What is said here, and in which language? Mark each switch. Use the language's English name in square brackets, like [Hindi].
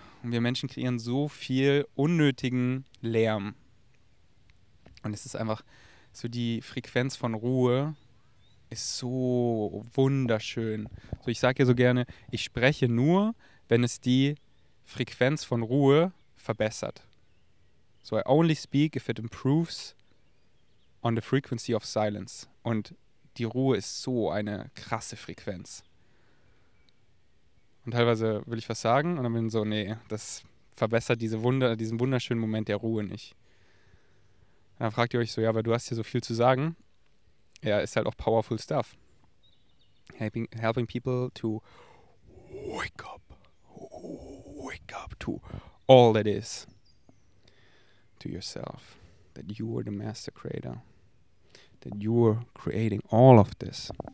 [German] Und wir Menschen kreieren so viel unnötigen Lärm. Und es ist einfach so, die Frequenz von Ruhe ist so wunderschön. So, ich sage ja so gerne, ich spreche nur, wenn es die Frequenz von Ruhe verbessert. [English] So, I only speak if it improves on the frequency of silence. [German] Und die Ruhe ist so eine krasse Frequenz. Und teilweise will ich was sagen und dann bin ich so, nee, das verbessert diesen wunderschönen Moment der Ruhe nicht. Und dann fragt ihr euch so, ja, aber du hast hier so viel zu sagen. Ja, ist halt auch [English] powerful stuff. Helping people to wake up to all that is to yourself, that you are the master creator. That you're creating all of this.